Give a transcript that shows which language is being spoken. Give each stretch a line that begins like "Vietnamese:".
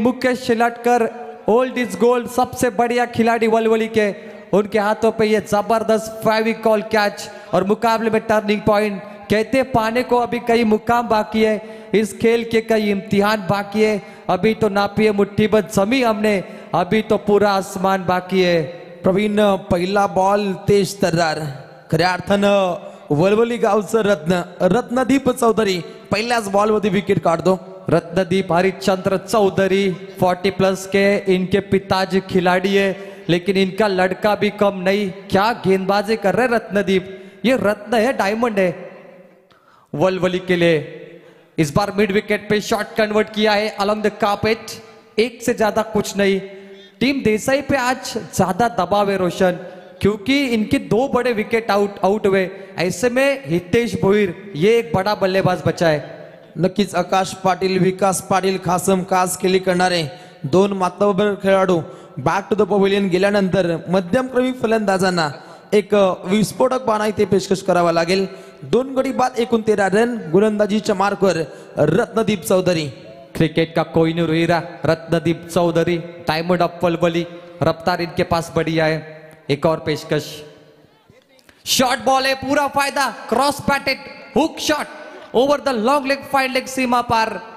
Hindi: Mukesh शेलटकर old is gold. सबसे बढ़िया खिलाड़ी वलवली के, उनके हाथों पे ये जबरदस्त फेविकॉल कैच और मुकाबले में टर्निंग पॉइंट. कहते पाने को अभी कई मुकाम बाकी है, इस खेल के कई इम्तिहान बाकी है. अभी तो नापिए मुठ्ठी भर जमी हमने, अभी तो पूरा आसमान बाकी है. प्रवीण पहला बॉल तेज तर्रार.
Marathi: खऱ्या अर्थान वलवली गावचं रत्न रत्नदीप चौधरी पहिल्याच बॉल मध्ये विकेट काढतो.
Hindi: रत्नदीप हरिश्चंद्र चौधरी 40+ के इनके पिताजी खिलाड़ी है, लेकिन इनका लड़का भी कम नहीं. क्या गेंदबाजी कर रहे रत्नदीप. ये रत्न है, डायमंड है वलवली के लिए. इस बार मिड विकेट पे शॉट कन्वर्ट किया है
English: Along the carpet.
Hindi: 1 से ज्यादा कुछ नहीं. टीम देसाई पे आज ज्यादा दबाव है रोशन, क्योंकि इनके 2 बड़े विकेट आउट हुए. ऐसे में हितेश भोईर ये एक बड़ा बल्लेबाज बचा है. नक्कीच आकाश पाटील विकास पाटील खासम खास खेली करना है.
Marathi: 2 Matbar खेलाड़ू
English: back to the pavilion
Marathi: गेल्यानंतर मध्यम क्रमी फलंदाजांना एक विस्फोटक बाणा इथे पेशकश करावा लागेल. 2 गडी बाद 19 रन गोलंदाजीच्या मार्कवर रत्नदीप चौधरी.
Hindi: क्रिकेट का कोहिनूर हीरा रत्नदीप चौधरी, डायमंड ऑफ वलवली. रफ्तार इनके पास बढ़िया है. एक और पेशकश. शॉर्ट बॉल है, पूरा फायदा. Cross batted hook shot over the long leg fine leg Seema par.